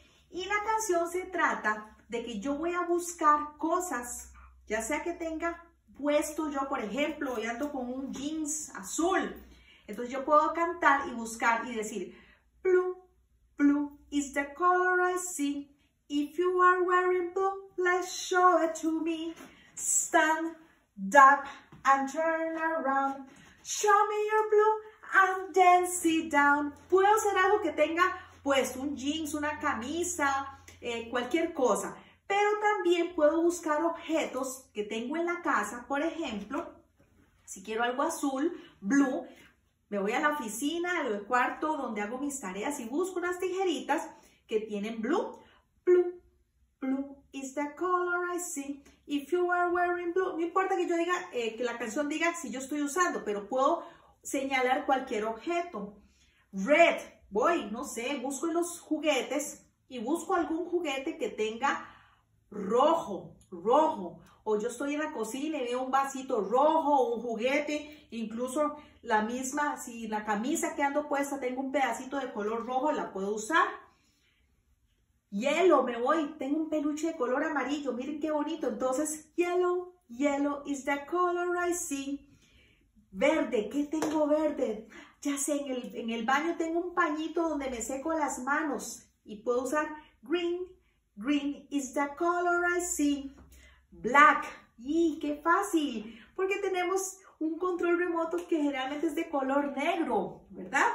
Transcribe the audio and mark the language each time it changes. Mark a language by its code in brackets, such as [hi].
[es] Y la canción se trata de que yo voy a buscar cosas, ya sea que tenga puesto yo, por ejemplo, hoy ando con un jeans azul. Entonces yo puedo cantar y buscar y decir, [en] blue, blue is the color I see. If you are wearing blue, let's show it to me. Stand up and turn around. Show me your blue and dance it down. [es] Puedo hacer algo que tenga puesto, un jeans, una camisa, cualquier cosa. Pero también puedo buscar objetos que tengo en la casa. Por ejemplo, si quiero algo azul, blue, me voy a la oficina, al cuarto donde hago mis tareas y busco unas tijeritas que tienen blue. [en] Blue, blue is the color I see. If you are wearing blue. [es] No importa que yo diga, que la canción diga si yo estoy usando, pero puedo señalar cualquier objeto. Red, voy, no sé, busco en los juguetes. Y busco algún juguete que tenga rojo, rojo. O yo estoy en la cocina y veo un vasito rojo, un juguete, incluso la misma, si la camisa que ando puesta tengo un pedacito de color rojo, la puedo usar. Hielo, me voy, tengo un peluche de color amarillo, miren qué bonito. [en] Entonces, yellow, yellow is the color I see. [es] Verde, ¿qué tengo verde? Ya sé, en el baño tengo un pañito donde me seco las manos. Y puedo usar [en] green, green is the color I see. [es] Black, ¡y qué fácil! Porque tenemos un control remoto que generalmente es de color negro, ¿verdad?